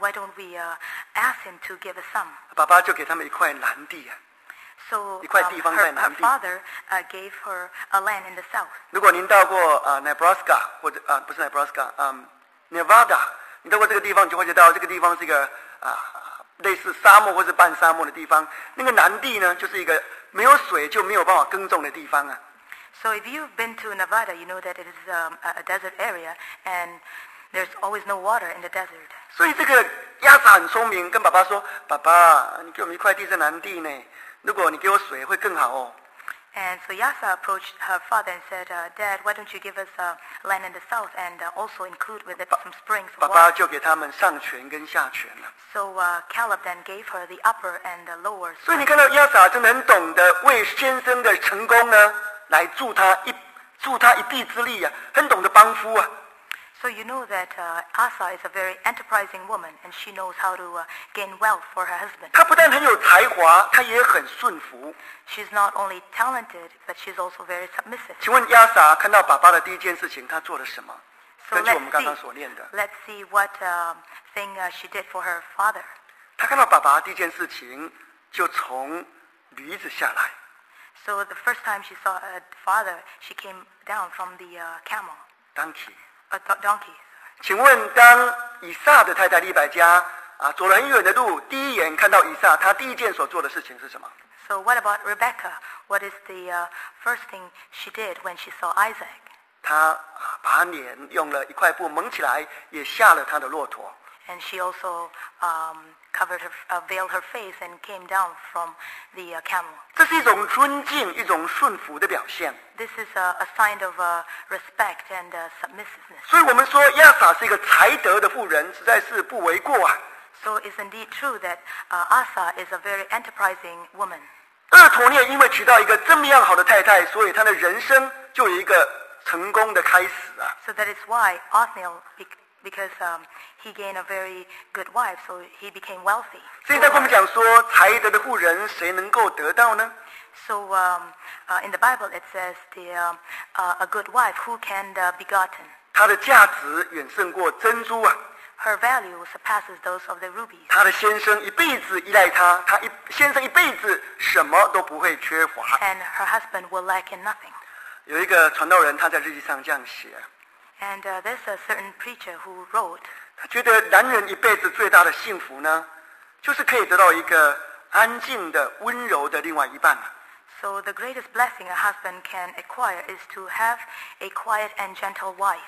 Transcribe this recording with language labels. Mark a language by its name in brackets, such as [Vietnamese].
[English] Why don't we ask him to give us some? [Chinese] 爸爸就给他们一块蓝地啊。 [English] So her father gave her a land in the south. [Chinese] 如果您到过Nebraska 或者不是 Nebraska， Nevada， 你到过这个地方，你就会知道这个地方是一个类似沙漠或是半沙漠的地方。那个南地呢，就是一个没有水就没有办法耕种的地方啊。 [English] So if you've been to Nevada, you know that it is a desert area, and there's always no water in the desert. [Chinese] 所以这个亚撒很聪明，跟爸爸说：“爸爸，你给我们一块地在南地呢。” 如果你给我水会更好哦。 [English] And so Yasa approached her father and said, "Dad, why don't you give us land in the south and also include with it some springs?" [Chinese] 爸爸就给他们上泉跟下泉了。 [English] So Caleb then gave her the upper and the lower. [Chinese] 所以你看到亚撒真的很懂得为先生的成功呢，来助他一臂之力啊，很懂得帮夫啊。 [English] So you know that Asa is a very enterprising woman, and she knows how to gain wealth for her husband. [Chinese] 她不但很有才华，她也很顺服。 [English] She's not only talented, but she's also very submissive. [Chinese] 请问亚撒看到爸爸的第一件事情，她做了什么？ [English] So、 [Chinese] 根据我们刚刚所念的 [English] ，Let's see what thing she did for her father. [Chinese] 她看到爸爸第一件事情就从驴子下来。 [English] So the first time she saw her father, she came down from the camel. Donkey. Donkey. [Chinese] 请问当以撒的太太利百加走了很远的路，第一眼看到以撒，她第一件所做的事情是什么 [English] ？So what about Rebecca? What is the first thing she did when she saw Isaac? [Chinese] 她把脸用了一块布蒙起来，也吓了她的骆驼。 [English] And she also covered her veiled her face and came down from the camel. [Chinese] 这是一种尊敬，一种顺服的表现。 [English] This is a sign of respect and submissiveness. [Chinese] 所以我们说亚撒是一个才德的妇人，实在是不为过啊。 [English] So it's indeed true that Asa is a very enterprising woman. [Chinese] 厄陀涅因为娶到一个这么样好的太太，所以他的人生就有一个成功的开始啊。 [English] So that is why Othniel because he gained a very good wife, so he became wealthy. [Chinese] 所以在我们讲说才德的妇人谁能够得到呢？ [English] So in the Bible it says the a good wife who can be gotten. [Chinese] 她的价值远胜过珍珠啊。 [English] Her value surpasses those of the rubies. [Chinese] 她的先生一辈子依赖她，她一先生一辈子什么都不会缺乏。 [English] And her husband will lack in nothing. [Chinese] 有一个传道人他在日记上这样写。 [English] And there's a certain preacher who wrote. [Chinese] 他觉得男人一辈子最大的幸福呢，就是可以得到一个安静的、温柔的另外一半。 [English] So the greatest blessing a husband can acquire is to have a quiet and gentle wife.